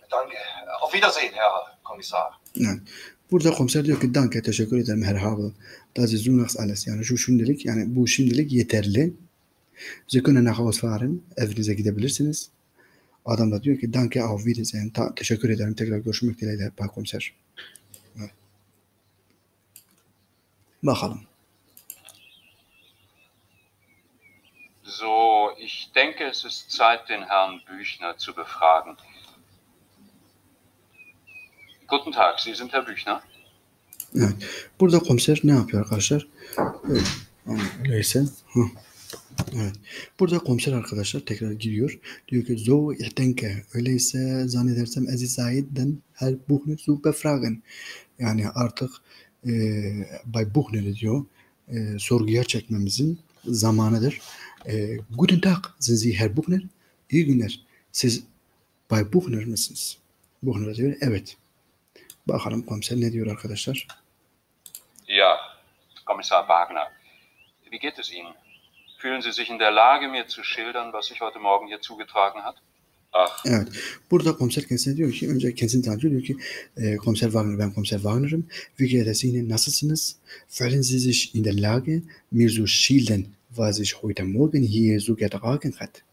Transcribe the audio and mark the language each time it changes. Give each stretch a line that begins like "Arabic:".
German: Danke. Auf Wiedersehen, Herr Kommissar.
Turkish: Evet. Burada komiser diyor ki
German: danke,
Turkish: teşekkür ederim Herr Havel.
German: Das ist zunächst alles.
Turkish: Yani şu şimdilik, yani bu şimdilik yeterli.
German: Sie können nach Hause fahren.
Turkish: Evinize gidebilirsiniz. Adam da diyor ki
German: danke, auf Wiedersehen.
Turkish: Teşekkür ederim. Tekrar görüşmek dileğiyle Bay Komiser. Evet. Bakalım.
German: So, ich denke es ist Zeit den Herrn Büchner zu befragen. Guten Tag, Sie sind Herr Büchner.
Turkish: Evet. Burada komiser ne yapıyor arkadaşlar? Neyse. Evet. Burada komiser arkadaşlar tekrar giriyor. Diyor ki,
German: so ich denke,
Turkish: öyleyse zannedersem
German: es ist Zeit den Herr Büchner zu befragen.
Turkish: Yani artık Bay Büchner diyor, sorguya çekmemizin zamanıdır.
German: Guten Tag, sind Sie Herr Büchner?
Turkish: İyi günler. Siz Bay Büchner misiniz? Büchner diyor, evet. Bakalım komiser ne diyor arkadaşlar?
German: Ja, Kommissar Wagner. Wie geht es Ihnen? Fühlen Sie sich in der Lage, mir zu schildern, was sich heute Morgen hier zugetragen hat?
Turkish: Ach. Evet. Burada komiser kendisine diyor ki, önce kendisini tanıtıyor, diyor ki, Komiser Wagner, ben Komiser Wagner'ım.
German: Wie geht es Ihnen?
Turkish: Nasılsınız?
German: Fühlen Sie sich in der Lage, mir zu schildern, was sich heute Morgen hier zugetragen hat?